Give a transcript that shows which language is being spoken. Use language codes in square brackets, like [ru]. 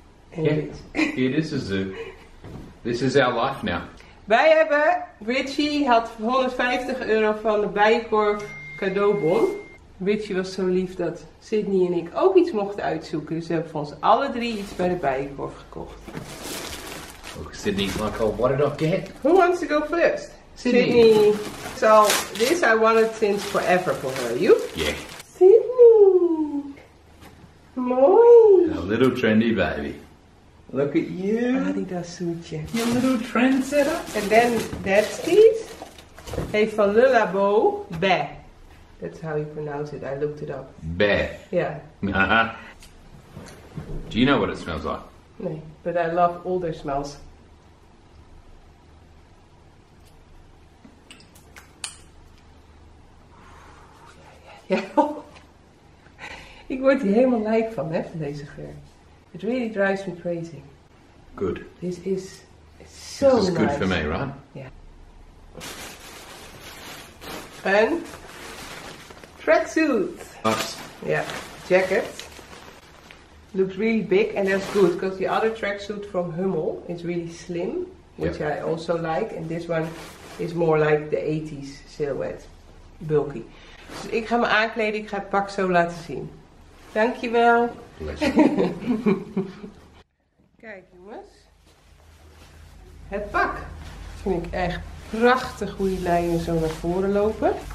[en] Yeah, it is a zoo. This is our life now. [nl] Wij hebben, Richie had €150 van de Bijenkorf cadeaubon. Richie was zo lief dat Sydney en ik ook iets mochten uitzoeken. Dus we hebben voor ons alle drie iets bij de Bijenkorf gekocht. [en] Oh, Sydney, Michael, what did I get? Who wants to go first? Sydney. So, this I wanted since forever for her. You? Yeah. [nl] Sydney. Mooi. [en] A little trendy baby. Look at you. Adidas suitje. Your little trendsetter. And then that's these. Hey, for Lulabo, Bé. That's how you pronounce it. I looked it up. Bé. Yeah. Do you know what it smells like? No, but I love all their smells. Yeah. [nl] Ik word hier helemaal lijk van, hè, van deze geur. [en] It really drives me crazy. Good. This is so nice. This is good for me, right? Yeah. And tracksuits. Bucks. Yeah. Jacket. Looks really big and that's good because the other tracksuit from Hummel is really slim, which I also like. And this one is more like the 80s silhouette. Bulky. [nl] Dus ik ga me aankleden, ik ga het pak zo laten zien. Dankjewel. Kijk jongens, het pak vind ik echt prachtig hoe die lijnen zo naar voren lopen.